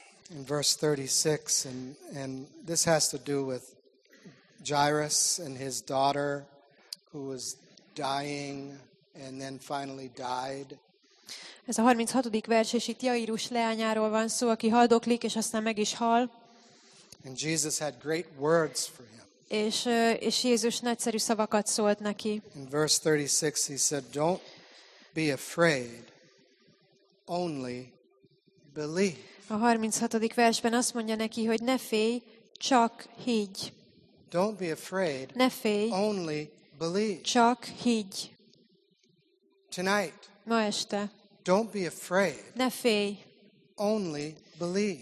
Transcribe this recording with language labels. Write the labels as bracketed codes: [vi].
[en] In verse 36, and this has to do with Jairus and his daughter who was dying and then finally died. [hu] Ez a 36. vers, és itt Jairus leányáról van szó, aki haldoklik, és aztán meg is hal. [en] And Jesus had great words for him. [hu] És Jézus nagyszerű szavakat szólt neki. [en] In verse 36 he said, "Don't be afraid, only believe." [hu] A 36. versben azt mondja neki, hogy ne félj, csak higgy. [en] Don't be afraid, [hu] ne félj, [en] only believe. [hu] Csak higgy. [en] Tonight. [hu] Ma este. [en] Don't be afraid. [hu] Ne félj. [en] Only believe.